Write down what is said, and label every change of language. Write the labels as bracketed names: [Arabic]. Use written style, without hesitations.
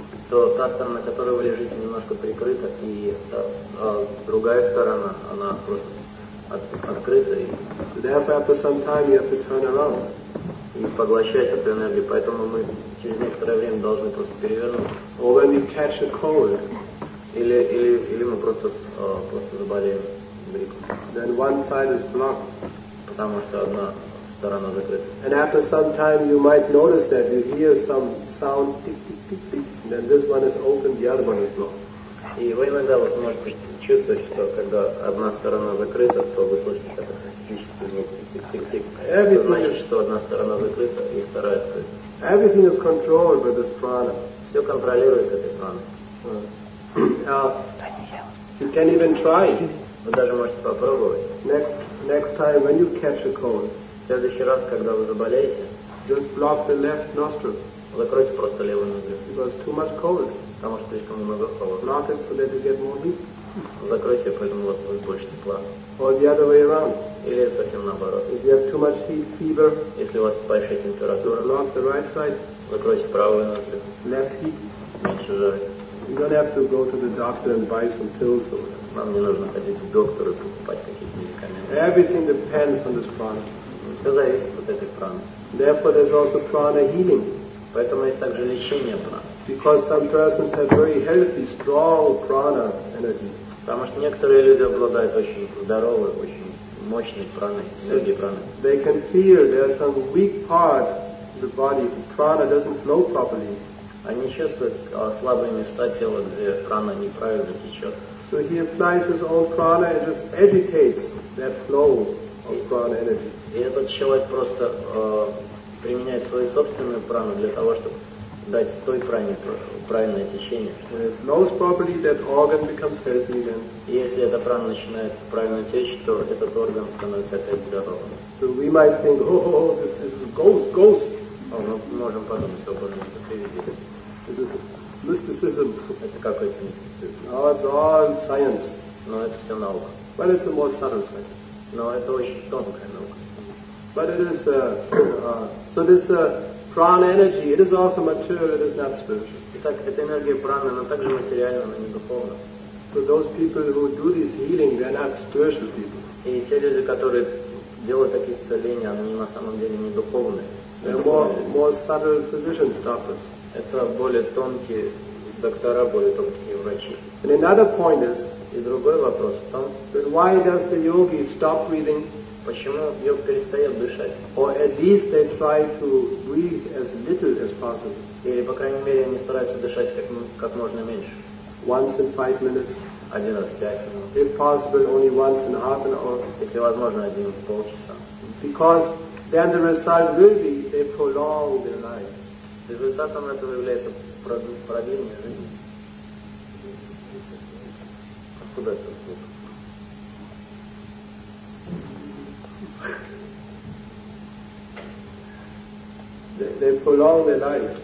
[Russian] То та сторона, которой вы лежите, немножко прикрыта, и другая сторона, она просто открыта. [English] Therefore, after some time, you have to turn around. [Russian] И поглощать эту энергию, поэтому мы через некоторое время должны просто перевернуться. [English] Or when we catch a cold. [Russian] Или мы просто заболеем. [English] Then one side is blocked. [Russian] Потому что одна сторона закрыта. [English] And after some time you might notice that you hear some sound tick tick tick tick. Then this one is open, the other one is blocked. [Russian] И вы иногда вот можете чувствовать, что когда одна сторона закрыта, то вы слышите как-то физический звук тик-тик-тик. [English] Everything [Russian] значит, что одна сторона закрыта и вторая открыта. [English] Everything is controlled by this prana. [Russian] Все контролируется этой праной. [English] You can even try. [Russian] Вы даже можете попробовать. [English] Next time when you catch a cold, [Russian] в следующий раз, когда вы заболеете, [English] just block the left nostril. [Russian] Закройте просто левую ноздрю. [English] Because too much cold. [Russian] Потому что слишком много холода. [English] Block it so that you get more heat. [Russian] Закройте, поэтому у вас будет больше тепла. [English] Or the other way around. [Russian] Или совсем наоборот. [English] If you have too much heat, fever, [Russian] если у вас большая температура, [English] block the right side. [Russian] Закройте правую ноздрю. [English] Less heat. [Russian] Меньше жары. [English] You don't have to go to the doctor and buy some pills or. [Russian] Нам не нужно ходить к доктору и покупать какие-то медикаменты. [English] Everything depends on this prana. [Russian] Все зависит от этой праны. [English] Therefore, there's also prana healing. [Russian] Поэтому есть также лечение праны. [English] Because some persons have very healthy, strong prana energy. [Russian] Потому что некоторые люди обладают очень здоровой, очень мощной праной, энергией праны. [English] They can feel there's some weak part of the body, the prana doesn't flow properly. [Russian] Они чувствуют слабые места тела, где прана неправильно течет. [English] So he applies his own prana and just agitates that flow of prana energy. [Russian] И этот человек просто применяет свою собственную прану для того, чтобы дать той пране правильное течение. [English] Knows properly, that organ becomes healthy again. [Russian] И если эта прана начинает правильно течь, то этот орган становится опять здоровым. [English] So we might think, oh, this is ghost, ghost. [Russian] Мы можем подумать, oh, Боже, это привидение. [English] It is mysticism. [Russian] Это какой-то мистицизм. [English] No, it's all science. [Russian] Но это все наука. [English] But it's a more subtle science. [Russian] Но это очень тонкая наука. [English] But it is, so this prana energy, it is also material, it is not spiritual. [Russian] Итак, эта энергия праны, она также материальна, она не духовна. [English] So those people who do this healing, they are not spiritual people. [Russian] И те люди, которые делают такие исцеления, они на самом деле не духовные. [English] They are more subtle physicians, doctors. [Russian] Это более тонкие доктора, более тонкие врачи. [English] And another point is, [Russian] и другой вопрос в том, [English] that why does the yogi stop breathing? [Russian] Почему йог перестает дышать? [English] Or at least they try to breathe as little as possible. [Russian] Или, по крайней мере, они стараются дышать как можно меньше. [English] Once in 5 minutes. [Russian] Один раз в 5 минут. [English] If possible, only once in half an hour. [Russian] Если возможно, один в полчаса. [English] Because then the result will be they prolong their life. [Russian] Результатом этого является продление жизни. Откуда это? [English] They prolong their life.